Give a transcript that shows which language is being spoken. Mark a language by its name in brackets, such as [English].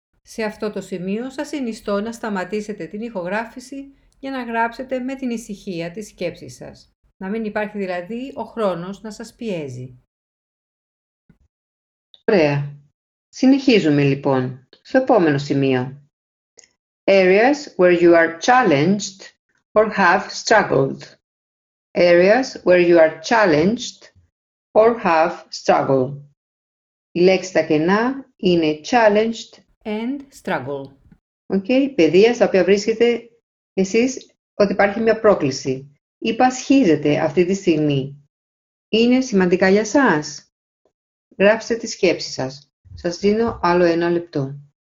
[Greek] Σε αυτό το σημείο σας συνιστώ να σταματήσετε την ηχογράφηση για να γράψετε με την ησυχία τη σκέψη σας. Να μην υπάρχει δηλαδή ο χρόνος να σας πιέζει. Ωραία. Συνεχίζουμε λοιπόν στο επόμενο σημείο. [English] Areas where you are challenged or have struggled. Areas where you are challenged or have struggled. [Greek] Η λέξη στα κενά είναι challenged [English] and struggle. [Greek] Okay, παιδεία στα οποία βρίσκεται εσείς ότι υπάρχει μια πρόκληση. Υπασχίζετε αυτή τη στιγμή. Είναι σημαντικά για σας. Γράψτε τη σκέψη σας. Σας δίνω άλλο ένα λεπτό.